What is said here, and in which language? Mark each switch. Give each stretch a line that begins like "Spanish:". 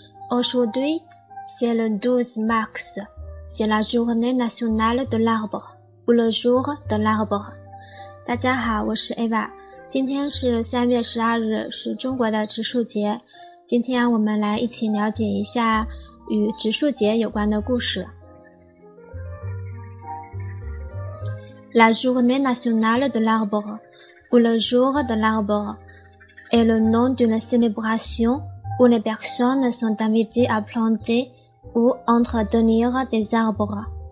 French: Aujourd'hui, c'est le 12 mars. C'est la journée nationale de l'arbre, ou le jour de l'arbre.
Chinese: 大家好，我是 Eva。今天是3月12日，是中国的植树节。今天我们来一起了解一下与植树节有关的故事。
French: La journée nationale de l'arbre, ou le jour de l'arbre, est le nom d'une célébration où les personnes sont invitées à planter ou entretenir des arbres.